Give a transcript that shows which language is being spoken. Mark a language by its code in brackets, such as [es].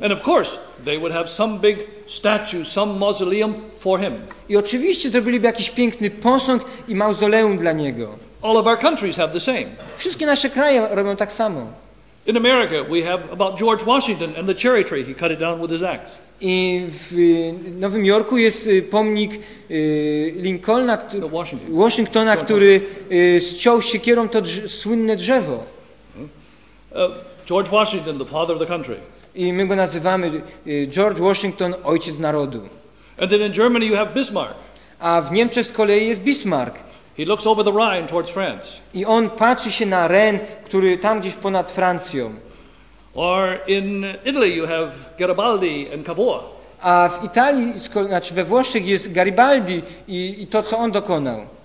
[en] And of course, they would have some big statue, some mausoleum for him. [pl] I oczywiście zrobiliby jakiś piękny posąg i mauzoleum dla niego. [en] All of our countries have the same. [pl] Wszystkie nasze kraje robią tak samo. [en] In America, we have about George Washington and the cherry tree. He cut it down with his axe. [pl] I w Nowym Jorku jest pomnik Lincolna, Washingtona, który zciął siekierą to słynne drzewo. [en] George Washington, the father of the country. [pl] I my go nazywamy George Washington, ojciec narodu. [en] And then in Germany you have Bismarck. [pl] A w Niemczech z kolei jest Bismarck. [en] He looks over the Rhine towards France. [pl] I on patrzy się na Ren, który tam gdzieś ponad Francją. [en] Or in Italy you have Garibaldi and Cavour. [pl] A w Italii, znaczy we Włoszech jest Garibaldi i to co on dokonał.